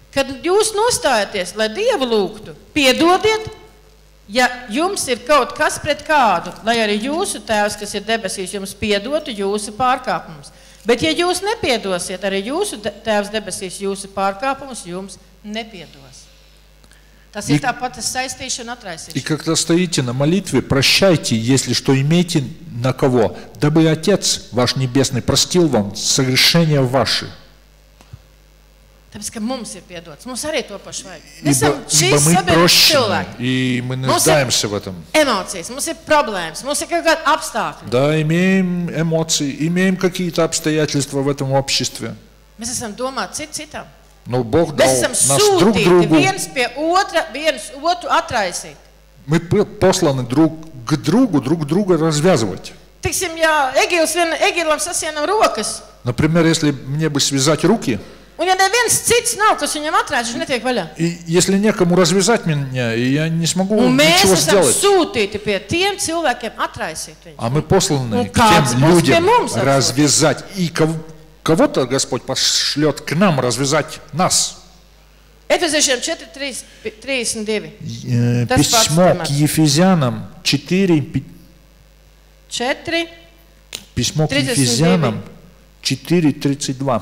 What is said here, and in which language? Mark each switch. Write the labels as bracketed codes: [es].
[lv] Kad jūs nostājaties, lai Dievu lūgtu, piedodiet, ja jums ir kaut kas pret kādu, lai arī jūsu Tēvs, kas ir debesīs, jums piedotu jūsu pārkāpumus. Bet ja jūs nepiedosiet, arī jūsu Tēvs debesīs jūsu pārkāpumus, jums nepiedos. Tas ir tā pati saistīšana atraisīšana. [ru] И когда стоите на молитве, прощайте, если что имеете на кого, дабы Отец ваш небесный простил вам согрешения ваши. [lv] Tāpēc, ka mums ir piedots. Mums arī to pašu vajag. Mēs esam šīs sabiedrības cilvēki. Mēs esam emocijas, mums ir problēmas, mums ir kaut kādi apstākļi. [ru] Да, имеем эмоции, имеем какие-то обстоятельства в этом обществе. [lv] Mēs esam domāt citam. [ru] Но Бог дал нас друг другу. [lv] Viens pie otra, viens otru atraisīt. [ru] Мы посланы друг к другу, друг друга развязывать. [lv] Tiksim, ja Egilam sasienam rokas. [ru] Например, если мне бы связать руки, [lv] Un ja neviens cits nav, kas viņam atrāc, viņš netiek vaļā. [ru] Если некому развязать меня, я не смогу ничего сделать. [lv] Un mēs esam sūtīti pie tiem cilvēkiem atraisīt viņus. [ru] А мы посланы к тем людям развязать. И кого-то Господь пошлёт к нам развязать нас. [lv] Efeziešiem 4:32. [ru] Письмо к Ефезянам 4:32.